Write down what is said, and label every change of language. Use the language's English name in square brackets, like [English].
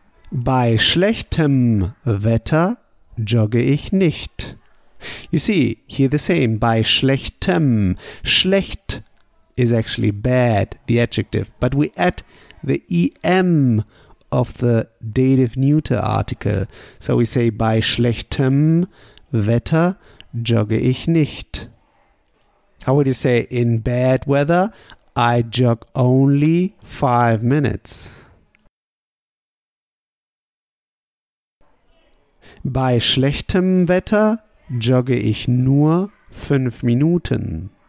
[German] Bei schlechtem Wetter jogge ich nicht. [English] You see, here the same, [German] bei schlechtem. [English] Schlecht is actually bad, the adjective, but we add the em of the dative neuter article. So we say, [German] bei schlechtem Wetter jogge ich nicht. [English] How would you say, in bad weather, I jog only 5 minutes? [German] Bei schlechtem Wetter jogge ich nur 5 Minuten.